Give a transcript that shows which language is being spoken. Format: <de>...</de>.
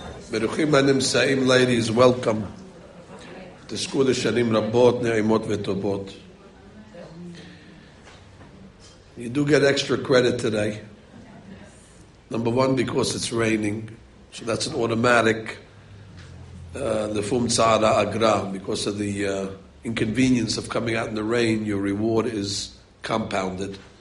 <he>ברוכים הנמצאים,</he> <en>ladies, welcome.</en> <he>תזכו לשנים רבות, נעימות וטובות.</he> <en>You do get extra credit today. Number one, because it's raining. So that's an automatic</en> <arc>לפום צערה אגרה.</arc> <en>Because of the inconvenience of coming out in the rain, your reward is compounded.</en>